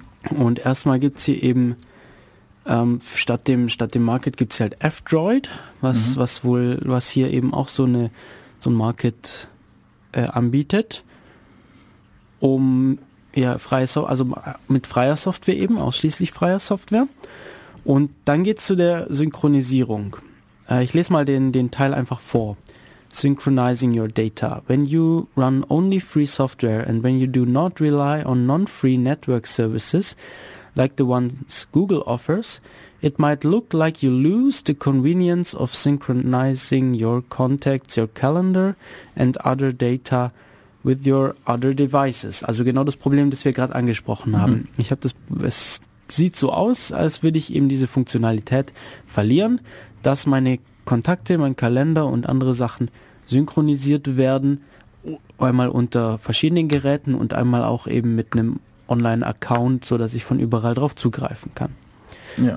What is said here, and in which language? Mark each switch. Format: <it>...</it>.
<de>Und erstmal gibt es hier eben statt dem Market gibt es halt F-Droid, was hier eben auch so ein Market anbietet, um Ja, freie Software, also mit freier Software eben, ausschließlich freier Software. Und dann geht's zu der Synchronisierung. Ich lese mal den Teil einfach vor.</de> <en>Synchronizing your data. When you run only free software and when you do not rely on non-free network services like the ones Google offers, it might look like you lose the convenience of synchronizing your contacts, your calendar and other data with your other devices.</en> <de>Also genau das Problem, das wir gerade angesprochen haben. Mhm. Ich habe das, es sieht so aus, als würde ich eben diese Funktionalität verlieren, dass meine Kontakte, mein Kalender und andere Sachen synchronisiert werden, einmal unter verschiedenen Geräten und einmal auch eben mit einem Online-Account, so dass ich von überall drauf zugreifen kann. Ja.</de>